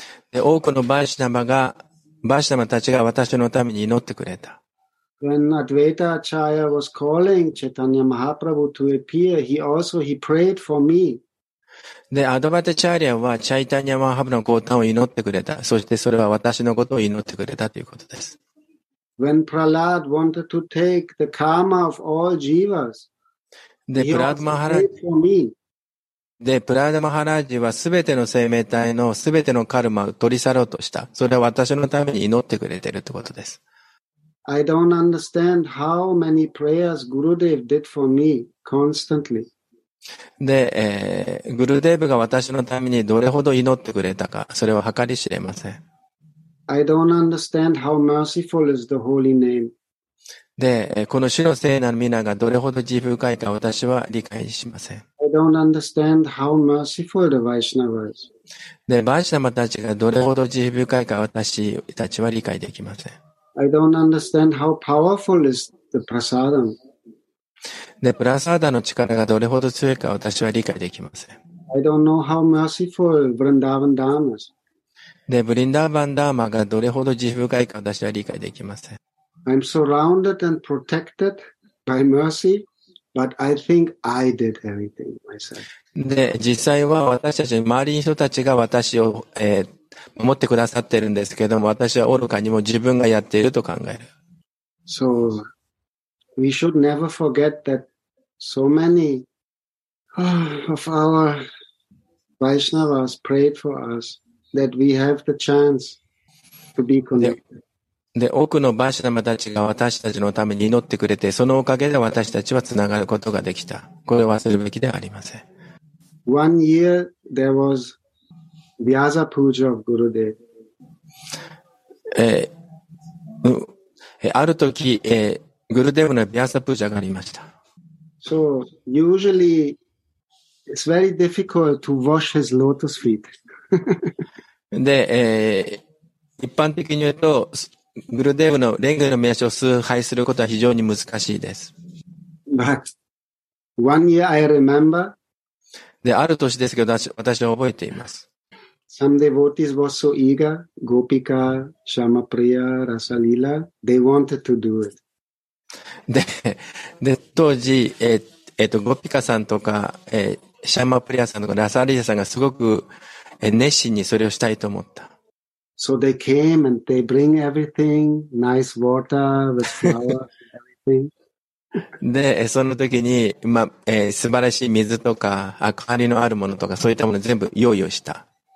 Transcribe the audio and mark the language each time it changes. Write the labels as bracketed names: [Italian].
[Japanese] で、多くのバイシナバたちが私のために祈ってくれた。 [English] When Advaita Acharya was calling Chaitanya Mahaprabhu to appear, he prayed for me. [Japanese] で、アドバイタチャーリアはチャイタニャマハプラの降誕を祈ってくれた。そしてそれは私のことを祈ってくれたということです。 [English] When Prahlad wanted to take the karma of all jivas, he also prayed for me. [Japanese] で、プラーダマハラージはすべての生命体のすべてのカルマを取り去ろうとした。それは私のために祈ってくれているということです。 [English] I don't understand how many prayers Gurudev did for me constantly. [Japanese] で、グルデーブが私のためにどれほど祈ってくれたか、それは計り知れません。 [English] I don't understand how merciful is the holy name. [Japanese] で、この主の聖なる名がどれほど慈悲深いか私は理解しません。 [English] I don't understand how merciful the Vaishnava is. [Japanese] で、バイシナバたちがどれほど慈悲深いか私たちは理解できません。 [English] I don't understand how powerful is the prasadam. [Japanese] で、プラサーダの力がどれほど強いか私は理解できません。 [English] I don't know how merciful Vrindavan Dharma is. [Japanese] で、ブリンダーバンダーマがどれほど慈悲深いか私は理解できません。 [English] I'm surrounded and protected by mercy, but I think I did everything myself. [Japanese] で、実際は私たち周りの人たちが私を、守ってくださっているんですけども、私は愚かにも自分がやっていると考える。 [English] So, we should never forget that so many of our Vaishnavas prayed for us that we have the chance to be connected. [Japanese] で、多くのバイシナバたちが私たちのために祈ってくれて、そのおかげで私たちはつながることができた。これを忘れるべきではありません。 [English] One year there was. Vyasa Puja of Gurudev. [Japanese] ある時、Gurudev の Vyasa Puja がありました。 [English] So, usually, it's very difficult to wash his lotus feet. [Japanese] で、一般的に言うと、グルデーブの蓮華の名称を崇拝することは非常に難しいです。 [English] But one year I remember. [Japanese] で、ある年ですけど、私は覚えています。 [English] Some devotees were so eager, Gopika, Shyamapriya, Rasalila, they wanted to do it. [Japanese] で、当時、Gopika さんとか、Shyamapriya さんとか、Rasalila さんがすごく、熱心にそれをしたいと思った。 [English] So they came and they bring everything, nice water, with flowers, everything. [Japanese] で、その時に、まあ、素晴らしい水とか、明かりのあるものとか、そういったものを全部用意をした。